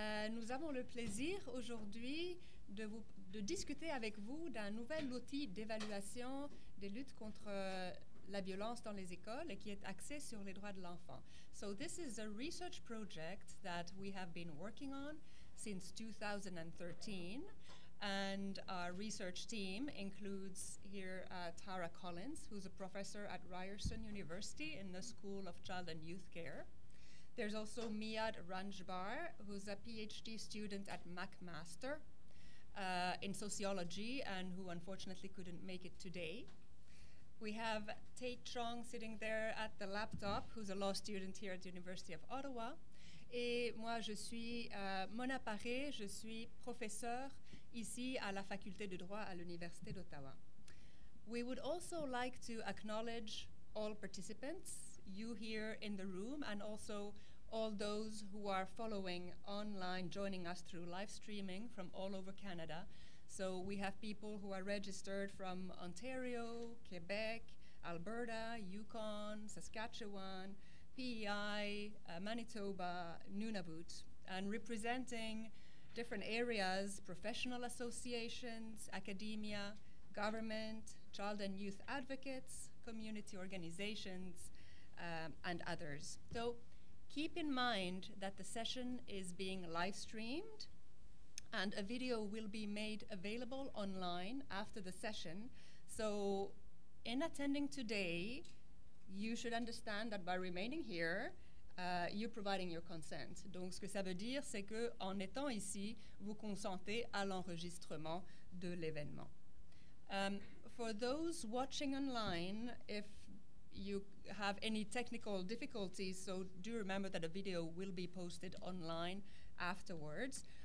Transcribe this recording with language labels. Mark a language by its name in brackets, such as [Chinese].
[French] Nous avons le plaisir aujourd'hui de discuter avec vous d'un nouvel outil d'évaluation des luttes contre la violence dans les écoles et qui est axé sur les droits de l'enfant. [English] So this is a research project that we have been working on since 2013. And our research team includes here Tara Collins, who's a professor at Ryerson University in the School of Child and Youth Care. There's also Miad Ranjbar, who's a PhD student at McMaster in sociology and who unfortunately couldn't make it today. We have Tate Chong sitting there at the laptop, who's a law student here at the University of Ottawa. [French] Et moi, je suis Mona Paré, je suis professeure ici à la Faculté de droit à l'Université d'Ottawa. [English] We would also like to acknowledge all participants, you here in the room, and also all those who are following online, joining us through live streaming from all over Canada. So we have people who are registered from Ontario, Quebec, Alberta, Yukon, Saskatchewan, PEI, Manitoba, Nunavut, and representing different areas, professional associations, academia, government, child and youth advocates, community organizations, and others. So keep in mind that the session is being live streamed and a video will be made available online after the session. So in attending today, you should understand that by remaining here, you're providing your consent. [French] Donc, ce que ça veut dire, c'est que en étant ici, vous consentez à l'enregistrement de l'événement. [English] For those watching online, if you have any technical difficulties, so do remember that a video will be posted online afterwards.